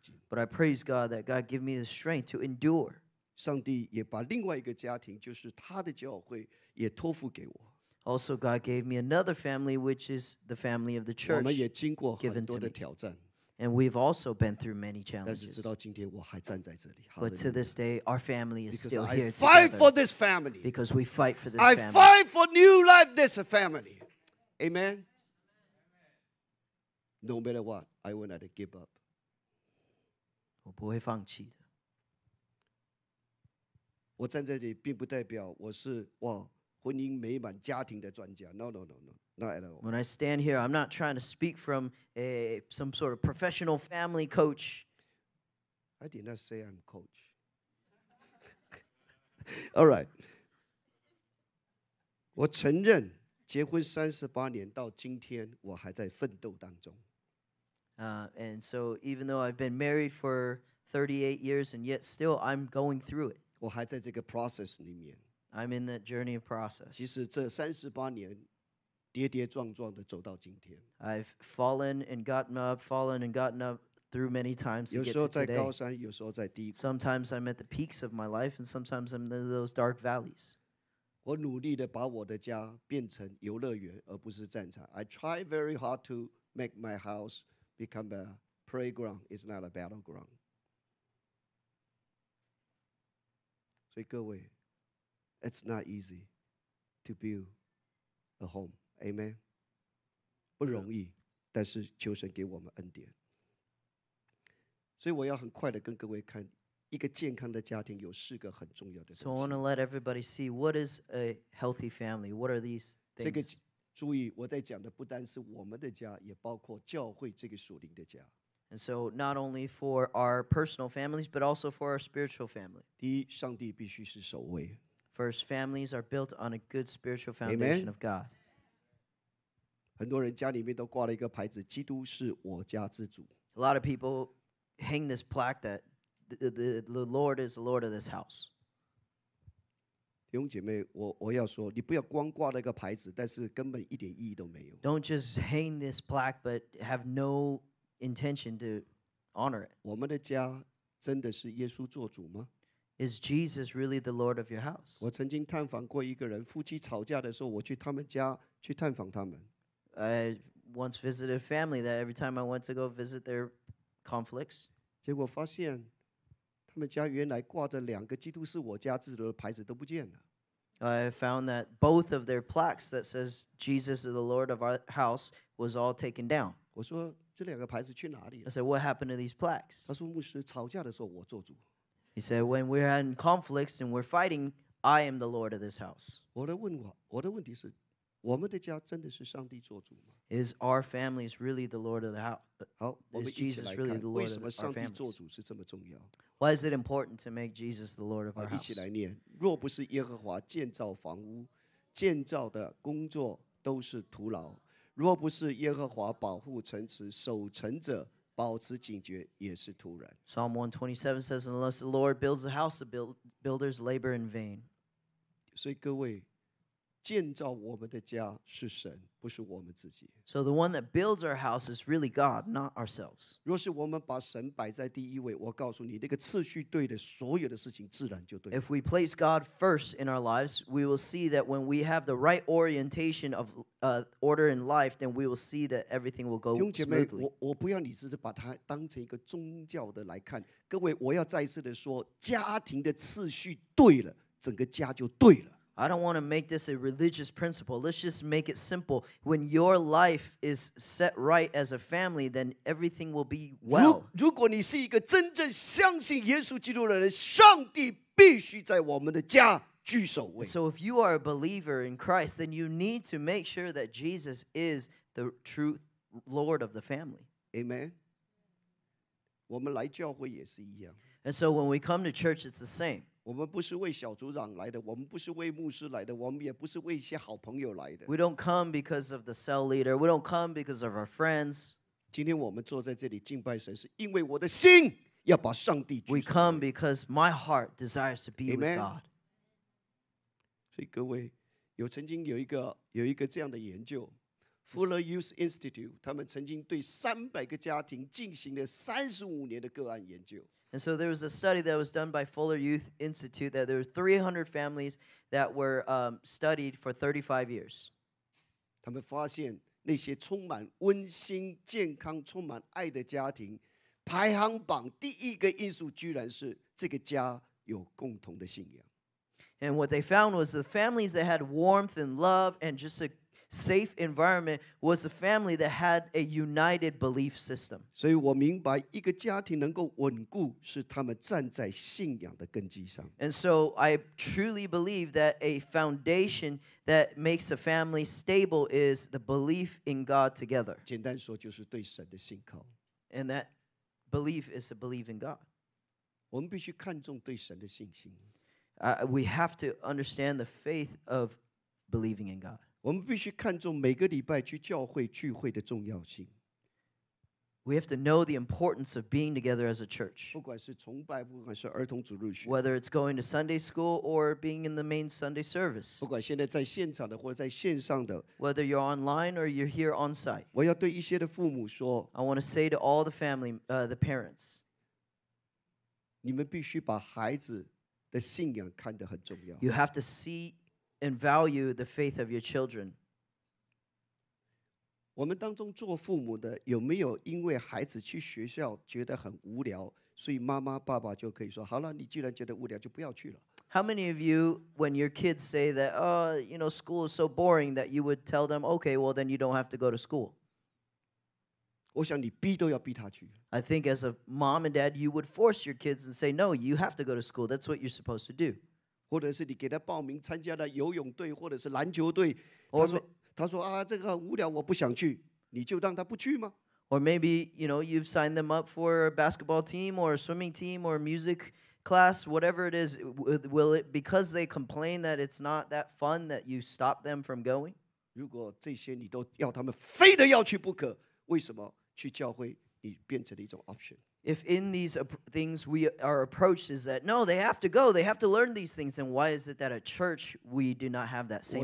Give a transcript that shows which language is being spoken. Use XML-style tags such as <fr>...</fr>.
<en>But I praise God that God gave me the strength to endure.</en> <zh>上帝也把另外一个家庭，就是他的教会，也托付给我。</zh> <en>Also, God gave me another family, which is the family of the church.</en> <zh>我们也经过很多的挑战。</zh> <en>And we've also been through many challenges.</en> <zh>但是直到今天，我还站在这里。</zh> <en>But to this day, our family is still here together. Because I fight for this family. Because we fight for this family. I fight for new life, this family. Amen. No matter what, I will not give up.</en> <zh>我不会放弃的。我站在这里并不代表我是哇婚姻美满家庭的专家。</zh> <en>No, not at all. When I stand here, I'm not trying to speak from some sort of professional family coach. I did not say I'm coach. All right.</en> <zh>我承认结婚38年到今天我还在奋斗当中。</zh> <en>And so even though I've been married for 38 years and yet still I'm going through it.</en> <zh>我还在这个 process 里面。</zh> <en>I'm in that journey of process.</en> <zh>其实这38年跌跌撞撞的走到今天。</zh> <en>I've fallen and gotten up through many times to get to today.</en> <zh>有时候在高山，有时候在低谷。</zh> <en>Sometimes I'm at the peaks of my life and sometimes I'm in those dark valleys.</en> <zh>我努力的把我的家变成游乐园而不是战场。</zh> <en>I try very hard to make my house become a playground, it's not a battleground.</en> <zh>所以各位</zh> <en>It's not easy to build a home. Amen.</en> <zh>不容易，但是求神给我们恩典。所以我要很快的跟各位看，一个健康的家庭有四个很重要的东西。</zh> <en>So I want to let everybody see what is a healthy family. What are these things?</en> <zh>这个注意，我在讲的不单是我们的家，也包括教会这个属灵的家。</zh> <en>And so not only for our personal families, but also for our spiritual family.</en> <zh>第一，上帝必须是首位。</zh> <en>First, families are built on a good spiritual foundation of God.</en> <zh>很多人家里面都挂了一个牌子，基督是我家之主。</zh> <en>A lot of people hang this plaque that the Lord is the Lord of this house.</en> <zh>弟兄姐妹，我要说，你不要光挂了一个牌子，但是根本一点意义都没有。</zh> <en>Don't just hang this plaque, but have no intention to honor it.</en> <zh>我们的家真的是耶稣做主吗？</zh> <en>Is Jesus really the Lord of your house?</en> <zh>我曾经探访过一个人，夫妻吵架的时候，我去他们家去探访他们。</zh> <en>I once visited a family that every time I went to go visit their conflicts.</en> <zh>结果发现，他们家原来挂着两个“基督是我家之主”的牌子都不见了。</zh> <en>I found that both of their plaques that says Jesus is the Lord of our house was all taken down.</en> <zh>我说这两个牌子去哪里了？</zh> <en>I said, "What happened to these plaques?"</en> <zh>他说牧师吵架的时候我做主。</zh> <en>He said, when we're in conflicts and we're fighting, I am the Lord of this house.</en> <zh>我的问题是，我们的家真的是上帝做主吗？</zh> <en>Is our family really the Lord of the house?</en> <zh>好，我们一起来看。</zh> <en>Is Jesus really the Lord of our families?</en> <zh>为什么上帝做主是这么重要？</zh> <en>Why is it important to make Jesus the Lord of our house?</en> <zh>一起来念。若不是耶和华建造房屋，建造的工作都是徒劳；若不是耶和华保护城池，守城者保持警觉也是徒然。</zh> <en>Psalm 127 says, "Unless the Lord builds the house, the builders labor in vain."</en> <zh>所以各位，建造我们的家是神，不是我们自己。</zh> <en>So the one that builds our house is really God, not ourselves.</en> <zh>若是我们把神摆在第一位，我告诉你，那个次序对的，所有的事情自然就对。</zh> <en>If we place God first in our lives, we will see that when we have the right orientation of order in life, then we will see that everything will go smoothly.</en> <zh>弟兄姐妹，我不要你只是把它当成一个宗教的来看。各位，我要再次的说，家庭的次序对了，整个家就对了。</zh> <en>I don't want to make this a religious principle. Let's just make it simple. When your life is set right as a family, then everything will be well.</en> <zh>如果你是一个真正相信耶稣基督的人，上帝必须在我们的家居首位。</zh> <en>So if you are a believer in Christ, then you need to make sure that Jesus is the true Lord of the family.</en> <zh>Amen. 我们来教会也是一样。</zh> <en>And so when we come to church, it's the same.</en> <zh>我们不是为小组长来的，我们不是为牧师来的，我们也不是为一些好朋友来的。</zh> <en>We don't come because of the cell leader. We don't come because of our friends.</en> <zh>今天我们坐在这里敬拜神，是因为我的心要把上帝。</zh> <en>We come because my heart desires to be with God.</en> <zh>所以各位，有曾经有一个这样的研究 ，Fuller Youth Institute， 他们曾经对300个家庭进行了35年的个案研究。</zh> <en>And so there was a study that was done by Fuller Youth Institute that there were 300 families that were studied for 35 years.</en> <zh>他们发现那些充满温馨、健康、充满爱的家庭，排行榜第一个因素居然是这个家有共同的信仰。</zh> <en>And what they found was the families that had warmth and love and just a safe environment was a family that had a united belief system.</en> <zh>所以我明白一个家庭能够稳固是他们站在信仰的根基上。</zh> <en>And so I truly believe that a foundation that makes a family stable is the belief in God together.</en> <zh>简单说就是对神的信靠。</zh> <en>And that belief is a belief in God.</en> <zh>我们必须看重对神的信心。</zh> <en>We have to understand the faith of believing in God.</en> <zh>我们必须看重每个礼拜去教会聚会的重要性。</zh> <en>We have to know the importance of being together as a church.</en> <zh>不管是崇拜，不管是儿童主日学。</zh> <en>Whether it's going to Sunday school or being in the main Sunday service.</en> <zh>不管现在在现场的或在线上的。</zh> <en>Whether you're online or you're here on site.</en> <zh>我要对一些的父母说。</zh> <en>I want to say to all the family, the parents.</en> <zh>你们必须把孩子的信仰看得很重要。</zh> <en>You have to see and value the faith of your children.</en> <zh>我们当中做父母的有没有因为孩子去学校觉得很无聊，所以妈妈爸爸就可以说，好了，你既然觉得无聊，就不要去了。</zh> <en>How many of you, when your kids say that, oh, you know, school is so boring, that you would tell them, okay, well, then you don't have to go to school?</en> <zh>我想你逼都要逼他去。</zh> <en>I think as a mom and dad, you would force your kids and say, no, you have to go to school. That's what you're supposed to do.</en> <zh>或者是你给他报名参加的游泳队或者是篮球队，他说啊，这个很无聊，我不想去，你就让他不去吗？</zh> <en>Or maybe, you know, you've signed them up for a basketball team or a swimming team or a music class, whatever it is, will it, because they complain that it's not that fun, that you stop them from going?</en> <zh>如果这些你都要他们非得要去不可，为什么去教会你变成了一种 option？</zh> <en>If in these things we are approached is that, no, they have to go, they have to learn these things, then why is it that at church we do not have that same attitude?</en>